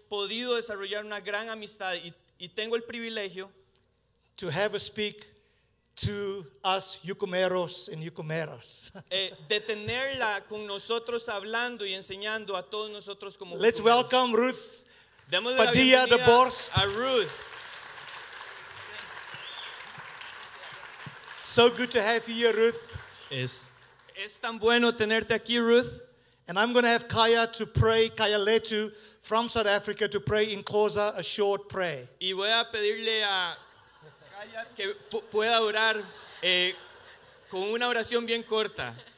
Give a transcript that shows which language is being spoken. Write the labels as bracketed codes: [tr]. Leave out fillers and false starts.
[es] Hemos podido desarrollar una gran amistad y tengo el privilegio [en] to have a speak to us Yucumeros and Yucumeras. [es] De tenerla con nosotros hablando y enseñando a todos nosotros como [en] Yucumeros. Let's welcome Ruth Padilla de Borst. [es] A Ruth. [en] So good to have you here, Ruth. [es] Es tan bueno tenerte aquí, Ruth. [en] And I'm going to have Kaya to pray, Kaya Letu from South Africa to pray in Xhosa a short prayer. [es] Y voy a pedirle a Kaya que pueda orar con una oración bien corta.